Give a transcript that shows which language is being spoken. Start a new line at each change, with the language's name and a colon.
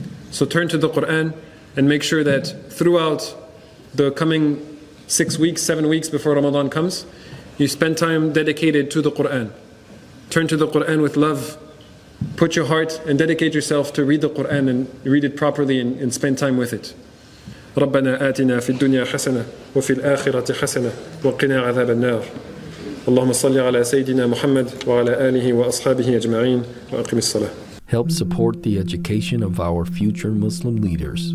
English: So turn to the Quran and make sure that throughout the coming 6 weeks, 7 weeks before Ramadan comes, you spend time dedicated to the Quran. Turn to the Quran with love. Put your heart and dedicate yourself to read the Quran and read it properly and spend time with it.
Arabic: ربنا آتنا في الدنيا حسنة وفي الآخرة حسنة وقنا عذاب النار. اللهم صل على سيدنا محمد وعلى آله وأصحابه أجمعين وأقم الصلاة.
English: Help support the education of our future Muslim leaders.